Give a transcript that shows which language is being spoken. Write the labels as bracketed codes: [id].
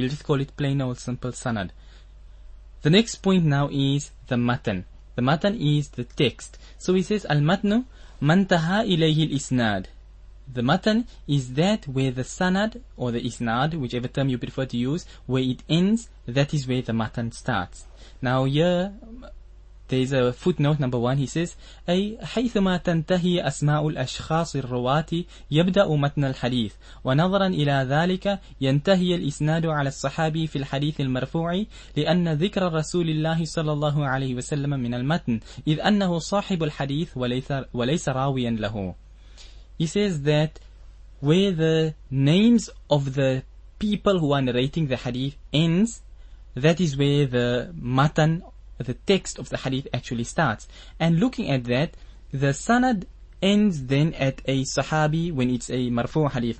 [en] We'll just call it plain old simple sanad. The next point now is the matan. The matan is the text. So he says, [ar] al-matnu mantaha ilayhi al-isnad. [en] The matan is that where the sanad or the isnad, whichever term you prefer to use, where it ends, that is where the matan starts. Now here, there's a footnote, number one, he says, [ar] أي حيثما تنتهي أسماء الأشخاص الرواة يبدأ متن الحديث ونظرا إلى ذلك ينتهي الإسناد على الصحابي في الحديث المرفوع لأن ذكر رسول الله صلى الله عليه وسلم من المتن إذ أنه صاحب الحديث وليس راويا له. [en] He says that where the names of the people who are narrating the hadith ends, that is where the matan, the text of the hadith actually starts. And looking at that, the sanad ends then at a sahabi when it's a marfu' hadith.